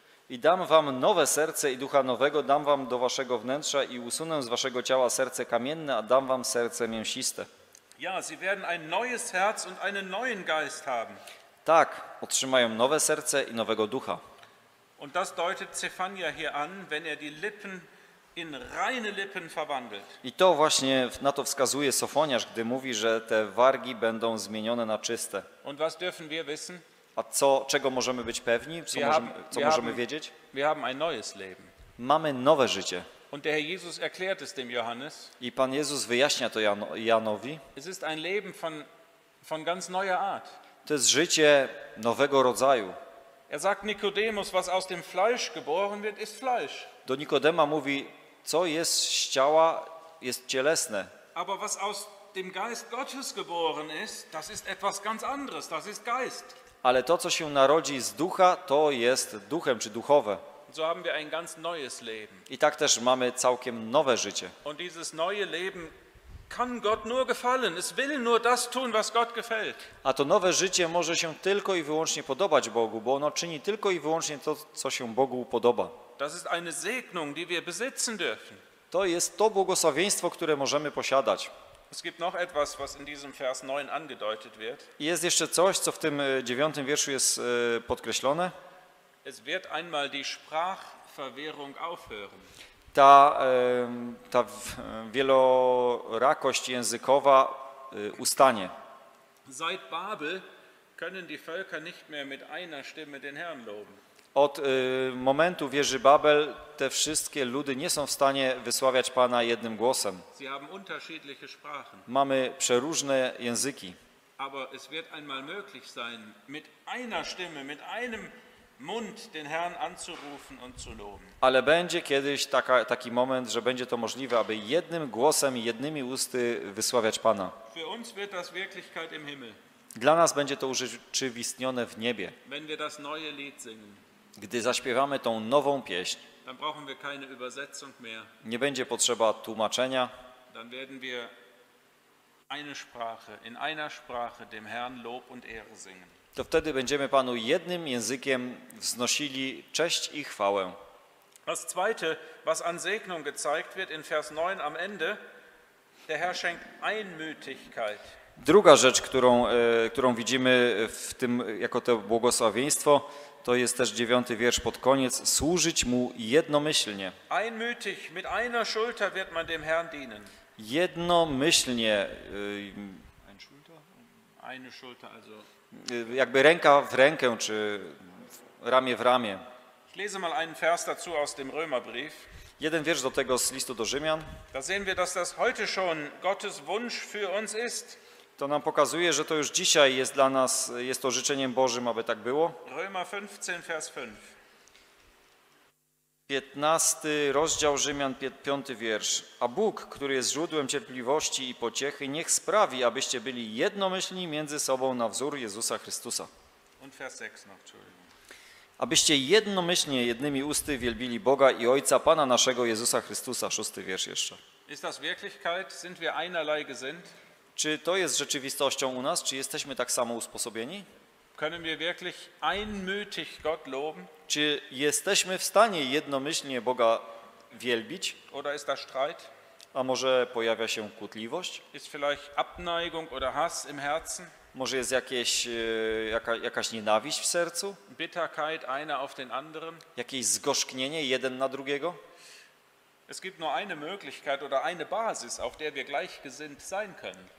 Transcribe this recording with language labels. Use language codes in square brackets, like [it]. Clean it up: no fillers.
[pl] I dam wam nowe serce i ducha nowego dam wam do waszego wnętrza i usunę z waszego ciała serce kamienne, a dam wam serce mięsiste. [de] Ja, sie werden ein neues Herz und einen neuen Geist haben. [pl] Tak, otrzymają nowe serce i nowego ducha. [de] Und das deutet Zephania hier an, wenn die Lippen in reine Lippen verwandelt. [pl] I to właśnie na to wskazuje Sofoniasz, gdy mówi, że te wargi będą zmienione na czyste. [de] Und was dürfen wir wissen? [pl] A co, czego możemy być pewni? Co, możemy wiedzieć? [de] Wir haben ein neues Leben. [pl] Mamy nowe życie. [de] Und der Herr Jesus erklärt es dem Johannes. [pl] I Pan Jezus wyjaśnia to Janowi. [de] Es ist ein Leben von ganz neuer Art. [pl] To jest życie nowego rodzaju. [de] Er sagt Nikodemus, was aus dem Fleisch geboren wird, ist Fleisch. [pl] Do Nikodema mówi, co jest z ciała, jest cielesne. [de] Aber was aus dem Geist Gottes geboren ist, das ist etwas ganz anderes, das ist Geist. [pl] Ale to, co się narodzi z ducha, to jest duchem czy duchowe. [de] So haben wir ein ganz neues Leben. [pl] I tak też mamy całkiem nowe życie. [de] Und dieses neue Leben kann Gott nur gefallen. Es will nur das tun, was Gott gefällt. [pl] A to nowe życie może się tylko i wyłącznie podobać Bogu, bo ono czyni tylko i wyłącznie to, co się Bogu podoba. [de] Das ist eine Segnung, die wir besitzen dürfen. [pl] To jest to błogosławieństwo, które możemy posiadać. [de] Es gibt noch etwas, was in diesem Vers 9 angedeutet wird. [pl] I jest jeszcze coś, co w tym 9. wierszu jest podkreślone. [de] Es wird einmal die Sprachverwirrung aufhören. [pl] Ta wielorakość językowa ustanie. [de] Seit Babel können die Völker nicht mehr mit einer Stimme den Herrn loben. [pl] Od momentu wieży Babel te wszystkie ludy nie są w stanie wysławiać Pana jednym głosem. [de] Sie haben unterschiedliche Sprachen. [pl] Mamy przeróżne języki. [de] Aber es wird einmal möglich sein, mit einer Stimme, mit einem Mund den Herrn anzurufen und zu loben. [pl] Ale będzie kiedyś taki moment, że będzie to możliwe, aby jednym głosem, jednymi usty wysławiać Pana. [de] Für uns wird das Wirklichkeit im Himmel. [pl] Dla nas będzie to urzeczywistnione w niebie. [de] Wenn wir das neue Lied singen. [pl] Gdy zaśpiewamy tą nową pieśń, [de] dann brauchen wir keine Übersetzung mehr. [pl] Nie będzie potrzeba tłumaczenia. [de] Dann werden wir eine Sprache, in einer Sprache dem Herrn Lob und Ehre singen. [pl] To wtedy będziemy Panu jednym językiem wznosili cześć i chwałę. [de] Das zweite, was an Segnung gezeigt wird in Vers 9 am Ende, der Herr schenkt Einmütigkeit. [pl] Druga rzecz, którą widzimy w tym jako to błogosławieństwo, to jest też 9. wiersz pod koniec. Służyć mu jednomyślnie. [de] Einmütig, mit einer Schulter wird man dem Herrn dienen. [pl] Jednomyślnie. [de] Ein Schulter? Eine Schulter, also. [pl] Jakby ręka w rękę, czy ramię w ramię. [de] Ich lese mal einen Vers dazu aus dem Römerbrief. [pl] Jeden wiersz do tego z listu do Rzymian. [de] Da sehen wir, dass das heute schon Gottes Wunsch für uns ist. [pl] To nam pokazuje, że to już dzisiaj jest dla nas, jest to życzeniem Bożym, aby tak było. [de] Römer 15, vers 5. [pl] 15 rozdział Rzymian, 5 wiersz. A Bóg, który jest źródłem cierpliwości i pociechy, niech sprawi, abyście byli jednomyślni między sobą na wzór Jezusa Chrystusa. [de] Und vers 6, no, Entschuldigung. [pl] Abyście jednomyślnie, jednymi usty wielbili Boga i Ojca Pana naszego Jezusa Chrystusa. 6 wiersz jeszcze. [de] Ist das Wirklichkeit? Sind wir einerlei gesinnt? [pl] Czy to jest rzeczywistością u nas? Czy jesteśmy tak samo usposobieni? [de] Können wir wirklich einmütig Gott loben? [pl] Czy jesteśmy w stanie jednomyślnie Boga wielbić? [de] Oder ist da Streit? [pl] A może pojawia się kłótliwość? [de] Ist vielleicht Abneigung oder Hass im Herzen? [pl] Może jest jakaś nienawiść w sercu? [de] Bitterkeit einer auf den anderen? [pl] Jakieś zgorzknienie jeden na drugiego? [de] Es gibt nur eine Möglichkeit oder eine Basis, auf der wir gleichgesinnt sein können.